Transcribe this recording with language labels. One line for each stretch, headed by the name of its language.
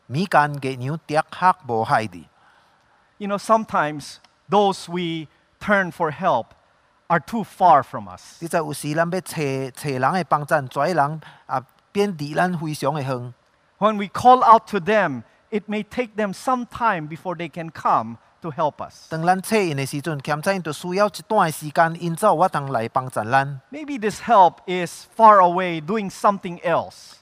Min Nan Chinese: 保护你的是耶和华，耶和华在你的正边荫庇你，白日太阳直晒无伤你，米干月亮直晒无害你。
English: You know, sometimes those we turn for help are too far from us.
Min Nan Chinese: 你知道有时咱要找人的帮助，跩人啊。
English: When we call out to them, it may take them some time before they can come to help us. Maybe this help is far away doing something else.